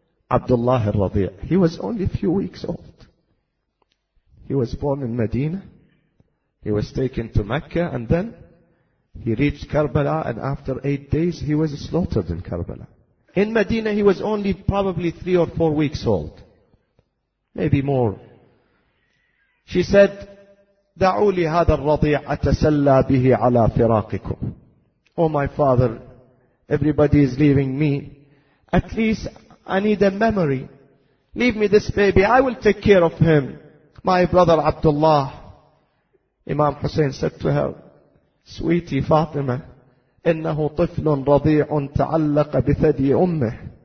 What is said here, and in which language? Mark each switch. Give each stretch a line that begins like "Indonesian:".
English: Abdullah al-Radi'. He was only a few weeks old. He was born in Medina. He was taken to Mecca, and then he reached Karbala, and after 8 days, he was slaughtered in Karbala. In Medina, he was only probably 3 or 4 weeks old. Maybe more. She said,
Arabic: دعوا لي هذا الرضيع أتسلى به على فراقكم.
English: Oh my father, everybody is leaving me. At least I need a memory. Leave me this baby, I will take care of him. My brother Abdullah. Imam Hussein said to her, Sweetie Fatima,
Arabic: إنه طفل رضيع تعلق بثدي أمه.